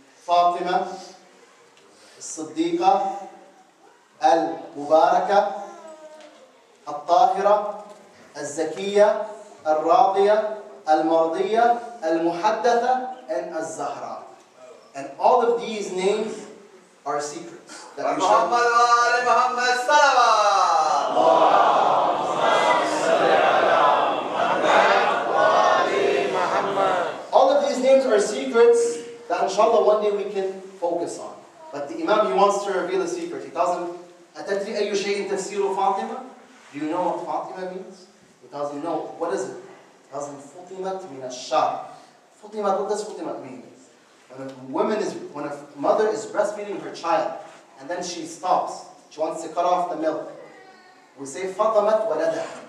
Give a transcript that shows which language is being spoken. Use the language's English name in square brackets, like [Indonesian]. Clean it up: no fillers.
[Arabic] Fatima, Siddiqa, Al-Mubaraka, الطاهرة الزكية الراضية المرضية المحدثة and الزهراء. [English] And all of these names are secrets that we shall [Arabic] محمد وآل محمد السلام اللهم صل على محمد وآل محمد. [English] All of these names are secrets that inshallah one day we can focus on. But the Imam, he wants to reveal a secret. He doesn't [Arabic] أتدري أي شيء تفسير فاطمة. [English] Do you know what Fatima means? He tells him, no. What is it? He tells him, Fatima min al-shahr. Fatima, what does Fatima mean? When a mother is breastfeeding her child, and then she stops, she wants to cut off the milk, we say, Fatamat walada.